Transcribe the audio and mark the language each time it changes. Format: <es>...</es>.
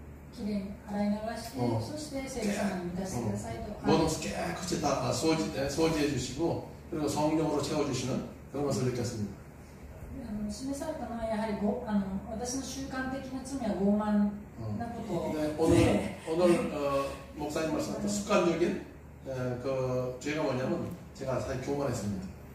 <ja>きれいに洗い流して、そして聖霊様に満たしてくださいと。もう少し、口で掃除、掃除</ja> <ko>해주시고 그리고 성령으로 채워주시는 그런 것을 느꼈습니다.</ko> <ja>示されたのはやはり私の習慣的な罪は傲慢なこと。</ja> <ko>오늘 목사님 말씀 습관적인 그 죄가 뭐냐면 제가 사실 교만했습니다.</ko>